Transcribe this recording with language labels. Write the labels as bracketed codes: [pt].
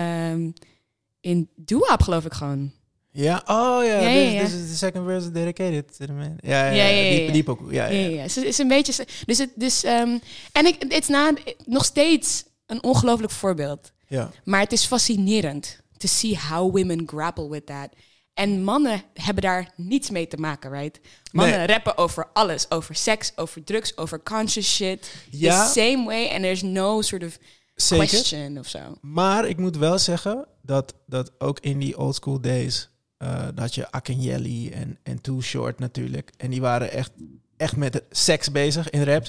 [nl] Ze zegt het in Doo-Wop, geloof ik gewoon. Ja, oh ja. [en] Yeah. Yeah, this is the second verse dedicated to the man. [nl] Ja, ja, ja. Diep ook. Ja, ja. Ze is een beetje. Nog steeds een ongelooflijk voorbeeld. Ja. Maar het is fascinerend [en] to see how women grapple with that. [nl] En mannen hebben daar niets mee te maken, [en] right? [nl] Mannen rappen over alles. Over seks, over drugs, over [en] conscious shit. [nl] Ja. [en] The same way. And there's no sort of question of [nl] zo. Maar ik moet wel zeggen dat ook in die old school days... dat je Akinyeli en Too Short natuurlijk... en die waren echt met seks bezig in raps.